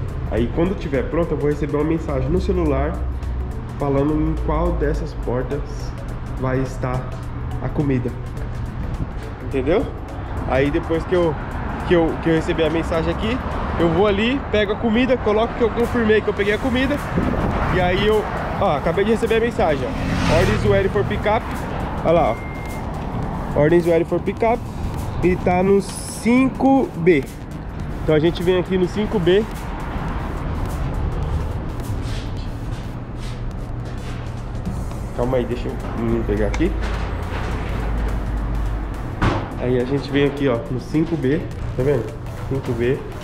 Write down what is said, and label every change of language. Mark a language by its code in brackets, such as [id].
[pt] Aí quando tiver pronto, eu vou receber uma mensagem no celular falando em qual dessas portas vai estar a comida, entendeu? Aí depois que eu receber a mensagem aqui, eu vou ali, pego a comida, coloco que eu confirmei que eu peguei a comida. E aí eu, ó, acabei de receber a mensagem, ó. [en] Order is ready for pickup. [pt] Olha lá, ó. [en] Order is ready for pickup. [pt] E tá no 5B. Então a gente vem aqui no 5B. Calma aí, deixa eu pegar aqui. Aí a gente vem aqui, ó, no 5B, tá vendo? 5B.